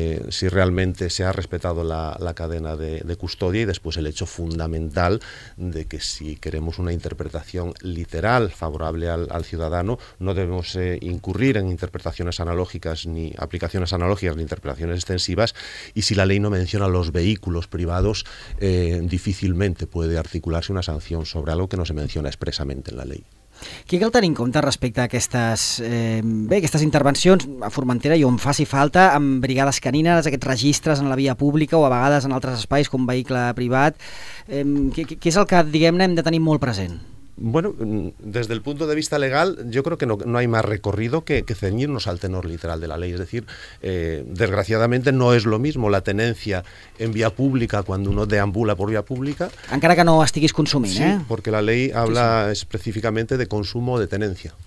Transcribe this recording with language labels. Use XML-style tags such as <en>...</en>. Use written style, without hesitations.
<es>si realmente se ha respetado la cadena de custodia, y después el hecho fundamental de que si queremos una interpretación literal favorable al ciudadano, no debemos incurrir en interpretaciones analógicas, ni aplicaciones analógicas, ni interpretaciones extensivas, y si la ley no menciona los vehículos privados, difícilmente puede articularse una sanción sobre algo que no se menciona expresamente en la ley.</es> <ca>Què cal tenir en compte respecte a aquestes, bé, aquestes intervencions a Formentera i on faci falta, amb brigades canines, aquests registres en la via pública o a vegades en altres espais com vehicle privat? Què és el que, diguem-ne, hem de tenir molt present?</ca> <es>Bueno, desde el punto de vista legal, yo creo que no hay más recorrido que ceñirnos al tenor literal de la ley. Es decir, desgraciadamente no es lo mismo la tenencia en vía pública cuando uno deambula por vía pública.</es> <ca>Encara que no estiguis consumint, sí, ¿eh?</ca> <es>Porque la ley habla específicamente de consumo o de tenencia.</es>